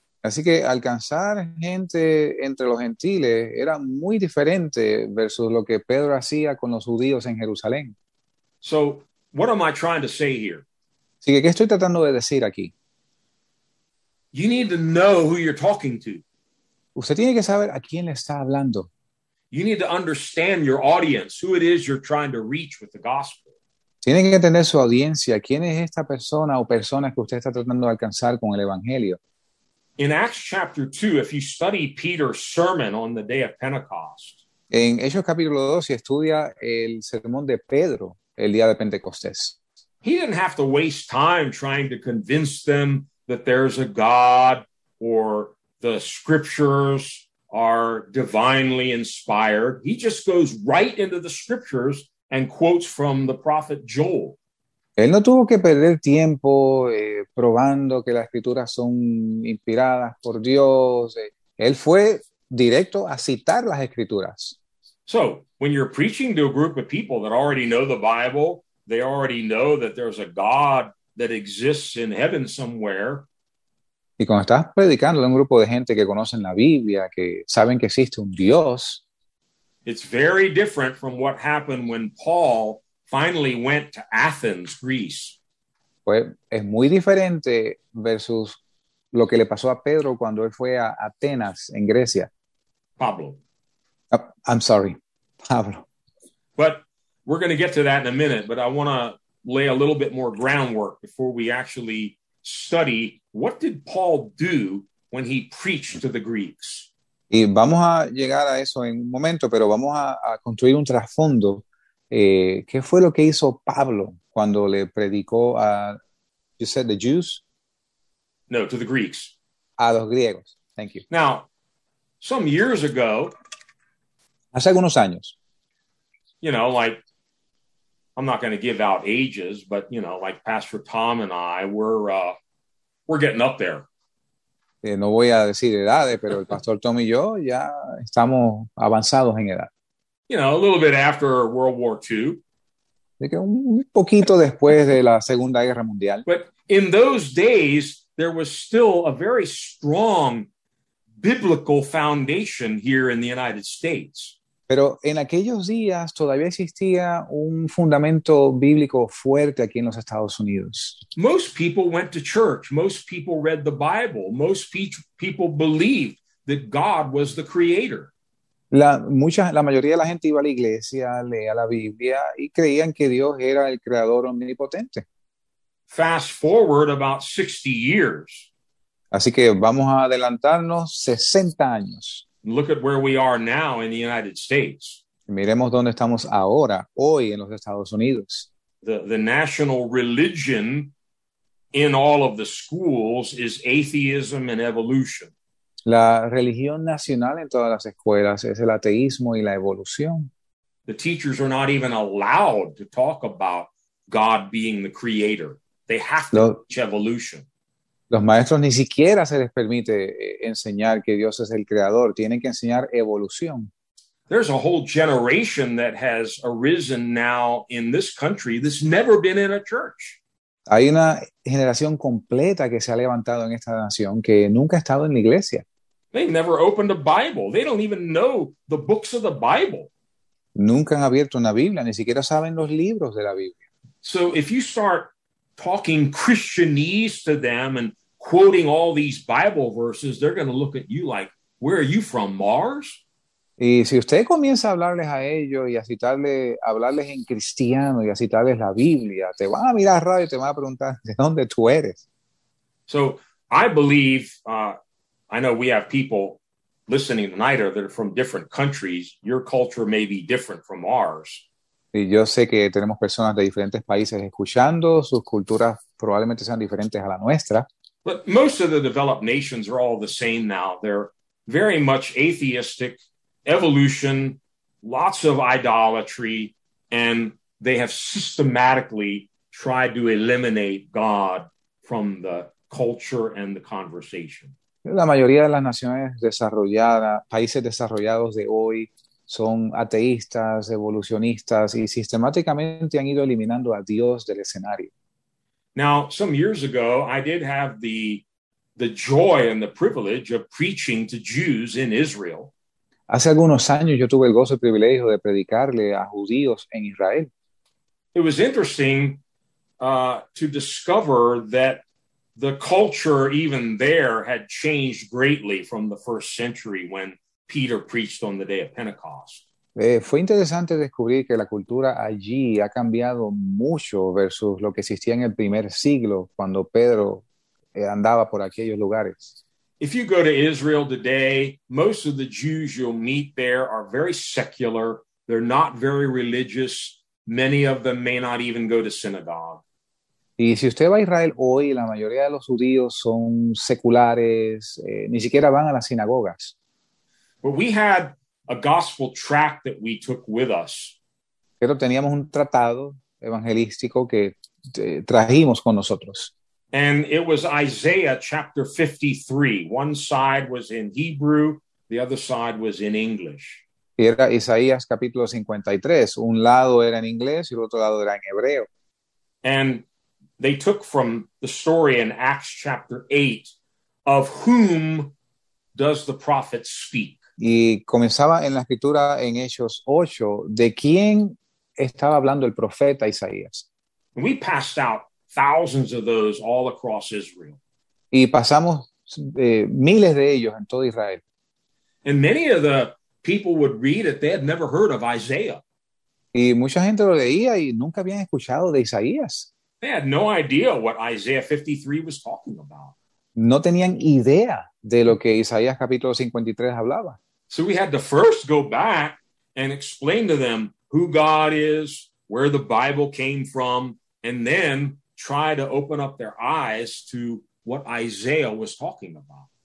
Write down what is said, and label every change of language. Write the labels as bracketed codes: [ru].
[es] Así que alcanzar gente entre los gentiles era muy diferente versus lo que Pedro hacía con los judíos en Jerusalén. [en] So, what am I trying to say here? [es] Así que, ¿qué estoy tratando de decir aquí? [en] You need to know who you're talking to. [es] Usted tiene que saber a quién le está hablando. [en] You need to understand your audience, who it is you're trying to reach with the gospel. [es] Tiene que entender su audiencia, quién es esta persona o personas que usted está tratando de alcanzar con el evangelio. [en] In Acts chapter 2, if you study Peter's sermon on the day of Pentecost, [es] en Hechos capítulo 2, si estudia el sermón de Pedro el día de Pentecostés, [en] he didn't have to waste time trying to convince them that there's a God or the scriptures are divinely inspired. He just goes right into the scriptures and quotes from the prophet Joel. [es] Él no tuvo que perder tiempo probando que las escrituras son inspiradas por Dios. Él fue directo a citar las escrituras. [en] So, when you're preaching to a group of people that already know the Bible, they already know that there's a God that exists in heaven somewhere. [es] Y cuando estás predicando a un grupo de gente que conocen la Biblia, que saben que existe un Dios, [en] it's very different from what happened when Paul finally went to Athens, Greece. [es] Pues es muy diferente versus lo que le pasó a Pedro cuando él fue a Atenas, en Grecia. Pablo. [en] Oh, I'm sorry, Pablo. But we're going to get to that in a minute, but I want to lay a little bit more groundwork before we actually study what did Paul do when he preached to the Greeks. [es] Y vamos a llegar a eso en un momento, pero vamos a construir un trasfondo. ¿Qué fue lo que hizo Pablo cuando le predicó a, [en] you said the Jews? No, to the Greeks. [es] A los griegos. [en] Thank you. Now, some years ago, [es] hace algunos años, [en] you know, like, I'm not going to give out ages, but, you know, like Pastor Tom and I, we're getting up there. [es] No voy a decir edades, pero el Pastor Tom y yo ya estamos avanzados en edad. [en] You know, a little bit after World War II. [es] De que un poquito después de la Segunda Guerra Mundial. [en] But in those days, there was still a very strong biblical foundation here in the United States. [es] Pero en aquellos días todavía existía un fundamento bíblico fuerte aquí en los Estados Unidos. [en] Most people went to church. Most people read the Bible. Most people believed that God was the creator. [es] La mayoría de la gente iba a la iglesia, leía la Biblia y creían que Dios era el creador omnipotente. [en] Fast forward about 60 years. [es] Así que vamos a adelantarnos 60 años. [en] Look at where we are now in the United States. [es] Miremos dónde estamos ahora, hoy en los Estados Unidos. [en] The national religion in all of the schools is atheism and evolution. [es] La religión nacional en todas las escuelas es el ateísmo y la evolución. [en] The teachers are not even allowed to talk about God being the creator. They have to teach evolution. [es] Los maestros ni siquiera se les permite enseñar que Dios es el creador. Tienen que enseñar evolución. [en] There's a whole generation that has arisen now in this country that's never been in a church. [es] Hay una generación completa que se ha levantado en esta nación que nunca ha estado en la iglesia. [en] They never opened a Bible. They don't even know the books of the Bible. [es] Nunca han abierto una Biblia. Ni siquiera saben los libros de la Biblia. [en] So if you start talking Christianese to them and quoting all these Bible verses, they're going to look at you like, where are you from, Mars? [es] Y si usted comienza a hablarles a ellos y a citarles, hablarles en cristiano y a citarles la Biblia, te van a mirar raro y te van a preguntar, ¿de dónde tú eres? [en] So, I believe, I know we have people listening tonight that are from different countries. Your culture may be different from ours. [es] Y yo sé que tenemos personas de diferentes países escuchando, sus culturas probablemente sean diferentes a la nuestra. [en] But most of the developed nations are all the same now. They're very much atheistic, evolution, lots of idolatry, and they have systematically tried to eliminate God from the culture and the conversation. [es] La mayoría de las naciones desarrolladas, países desarrollados de hoy, son ateístas, evolucionistas, y sistemáticamente han ido eliminando a Dios del escenario. [en] Now, some years ago, I did have the joy and the privilege of preaching to Jews in Israel. [es] Hace algunos años yo tuve el gozo y el privilegio de predicarle a judíos en Israel. [en] It was interesting to discover that the culture even there had changed greatly from the first century when Peter preached on the day of Pentecost. [es] Fue interesante descubrir que la cultura allí ha cambiado mucho versus lo que existía en el primer siglo cuando Pedro andaba por aquellos lugares. [en] If you go to Israel today, most of the Jews you'll meet there are very secular. They're not very religious. Many of them may not even go to synagogue. [es] Y si usted va a Israel hoy, la mayoría de los judíos son seculares, ni siquiera van a las sinagogas. [en] But we had a gospel tract that we took with us. [es] Pero teníamos un tratado evangelístico que trajimos con nosotros. [en] And it was Isaiah chapter 53. One side was in Hebrew, the other side was in English. [es] Y era Isaías capítulo 53. Un lado era en inglés y el otro lado era en hebreo. [en] And they took from the story in Acts chapter 8, of whom does the prophet speak? [es] Y comenzaba en la escritura en Hechos 8, ¿de quién estaba hablando el profeta Isaías? [en] And we passed out thousands of those all across Israel. [es] Y pasamos miles de ellos en todo Israel. [en] And many of the people would read it, they had never heard of Isaiah. [es] Y mucha gente lo leía y nunca habían escuchado de Isaías. [en] They had no idea what Isaiah 53 was talking about. [es] No tenían idea de lo que Isaías capítulo 53 hablaba. [en] So we had to first go back and explain to them who God is, where the Bible came from, and then try to open up their eyes to what Isaiah was talking about.